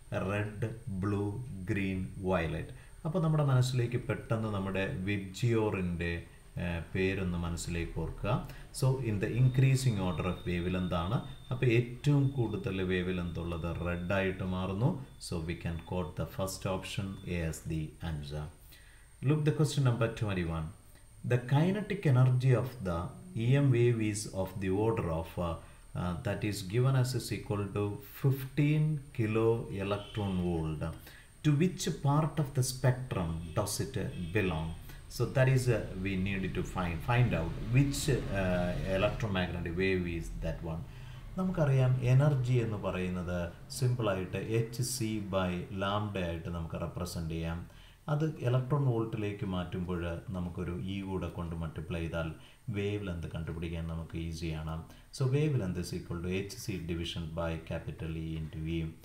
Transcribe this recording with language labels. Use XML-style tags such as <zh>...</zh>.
<ml>Red, blue, green, violet. അപ്പോൾ നമ്മുടെ മനസ്സിലേക്ക് പെട്ടെന്ന് നമ്മുടെ വിബ്ജിയോറിൻ്റെ പേരൊന്ന് മനസ്സിലേക്ക് ഓർക്കുക.</ml> <en>So in the increasing order of wavelength ആണ്.</en> <ml>അപ്പോൾ ഏറ്റവും കൂടുതൽ</ml> <en>Wavelength ഉള്ളത് റെഡായിട്ട് മാറുന്നു. So we can quote the first option as the answer. Look the question number 21. The kinetic energy of the EM wave is of the order of that is given as is equal to 15 kilo electron volt. To which part of the spectrum does it belong? So that is we need to find out which electromagnetic wave is that one.</en> <ml>നമുക്കറിയാം energy എന്ന് പറയുന്നത് സിമ്പിളായിട്ട് HC by lambda ആയിട്ട് നമുക്ക് represent ചെയ്യാം. അത് electron വോൾട്ടിലേക്ക് മാറ്റുമ്പോൾ നമുക്കൊരു ഇ കൂടെ കൊണ്ട് മൾട്ടിപ്ലൈ ചെയ്താൽ വേവ് ലെന്ത് കണ്ടുപിടിക്കാൻ നമുക്ക് ഈസിയാണ്.</ml> <en>So wavelength is equal to h c division by capital E into v.</en>